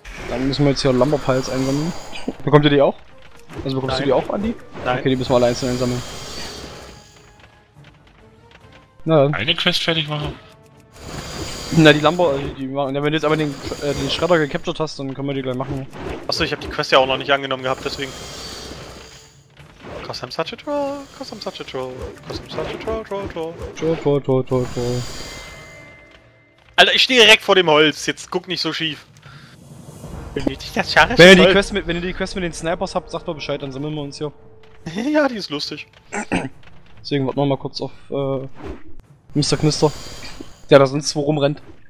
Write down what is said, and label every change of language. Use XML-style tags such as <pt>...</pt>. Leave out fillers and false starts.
<de>Dann müssen wir jetzt hier Lumberpiles einsammeln. Bekommt ihr die auch? Also bekommst Nein. du die auch, Andi? Nein. Okay, die müssen wir alle einzeln einsammeln. Na dann. Eine Quest fertig machen? Na, die Lumber, die machen. Ja, wenn du jetzt aber den Schredder gecaptured hast, dann können wir die gleich machen. Achso, ich habe die Quest ja auch noch nicht angenommen gehabt, deswegen.</de> <en>Cause I'm such a troll, cause I'm such a troll, cause I'm such a troll, troll, troll. Troll, troll, troll, troll, troll.</en> <de>Alter, ich stehe direkt vor dem Holz, jetzt guck nicht so schief. Wenn ihr die Quest mit, wenn ihr die Quest mit den Snipers habt, sagt mal Bescheid, dann sammeln wir uns hier. Ja, die ist lustig. Deswegen warten wir mal kurz auf Mr. Knister, der da sonst wo rumrennt.</de>